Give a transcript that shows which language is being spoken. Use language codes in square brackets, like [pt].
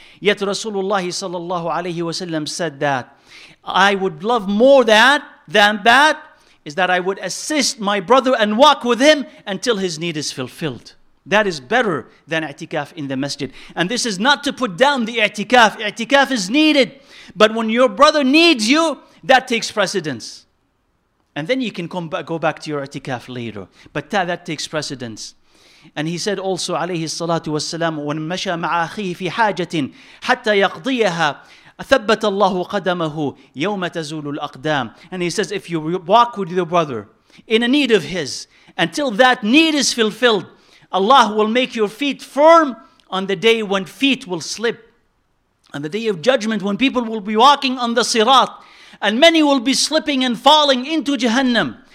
[en] Yet Rasulullah sallallahu alayhi wa sallam said that, I would love more that than that, is that I would assist my brother and walk with him until his need is fulfilled. That is better than i'tikaf in the masjid. And this is not to put down the i'tikaf. I'tikaf is needed. But when your brother needs you, that takes precedence. And then you can come back, go back to your i'tikaf later. But that takes precedence. And he said also, [ar] عليه الصلاة والسلام, وَنْ مَشَى مَعَ أَخِيهِ فِي حَاجَةٍ حَتَّى يَقْضِيَهَا أَثَبَّتَ اللَّهُ قَدَمَهُ يَوْمَ تَزُولُ الْأَقْدَامِ. [en] And he says, if you walk with your brother in a need of his, until that need is fulfilled, Allah will make your feet firm on the day when feet will slip. And the day of judgment, when people will be walking on the sirat, and many will be slipping and falling into Jahannam.